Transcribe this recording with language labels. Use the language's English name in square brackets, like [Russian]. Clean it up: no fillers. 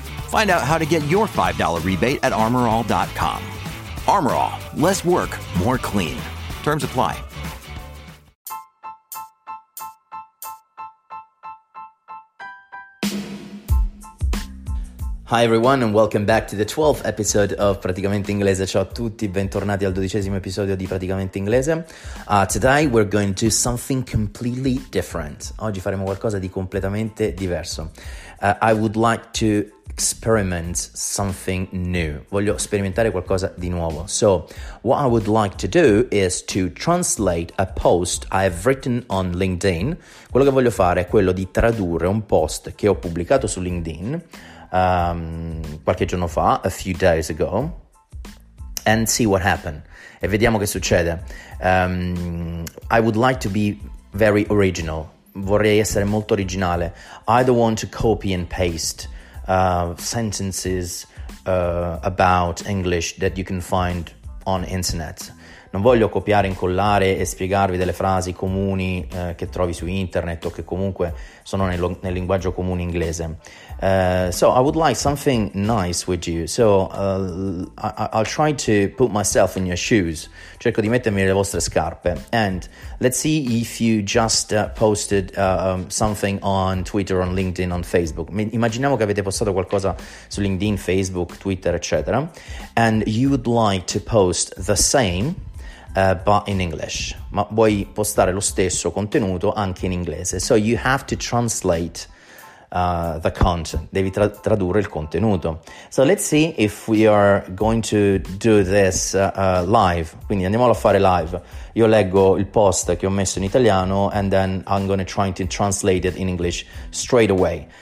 [English] Find out how to get your $5 rebate at armorall.com. Armor All, less work, more clean. Terms apply. Hi everyone and welcome back to the 12th episode of Praticamente Inglese. [Italian] Ciao a tutti, bentornati al dodicesimo episodio di Praticamente Inglese. [English] Today we're going to do something completely different. [Italian] Oggi faremo qualcosa di completamente diverso. [English] I would like to experiment something new. [Italian] Voglio sperimentare qualcosa di nuovo. [English] So, what I would like to do is to translate a post I've written on LinkedIn. [Italian] Quello che voglio fare è quello di tradurre un post che ho pubblicato su LinkedIn qualche giorno fa, [English] a few days ago, [Italian] and see what happened. E vediamo che succede. [English] I would like to be very original. [Italian] Vorrei essere molto originale. [English] I don't want to copy and paste sentences about English that you can find on internet. [Italian] Non voglio copiare, incollare e spiegarvi delle frasi comuni che trovi su internet o che comunque sono nel linguaggio comune inglese. [English] So I would like something nice with you. So I'll try to put myself in your shoes. [Italian] Cerco di mettermi nelle vostre scarpe. [English] And let's see if you just posted something on Twitter, on LinkedIn, on Facebook. [Italian] Immaginiamo che avete postato qualcosa su LinkedIn, Facebook, Twitter, eccetera. [English] And you would like to post the same but in English. [Italian] Ma vuoi postare lo stesso contenuto anche in inglese. [English] So you have to translate the content. [Italian] Devi tradurre il contenuto. [English] So let's see if we are going to do this live. [Italian] Quindi andiamolo a fare live. Io leggo il post che ho messo in italiano [English] and then I'm going to try to translate it in English straight away.